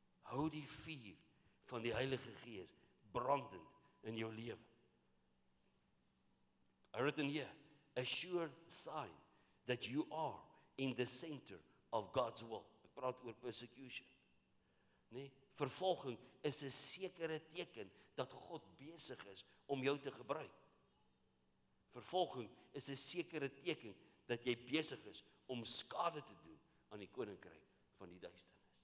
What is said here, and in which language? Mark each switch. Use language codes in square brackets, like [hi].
[af] Hou die vuur van die Heilige Gees brandend in jou lewe. [en] I wrote in here, a sure sign that you are in the center of God's will. [af] Ek praat oor persecution. Nee, vervolging is 'n sekere teken dat God besig is om jou te gebruik. Vervolging is 'n sekere teken dat jy besig is om skade te doen aan die koninkryk van die duisternis.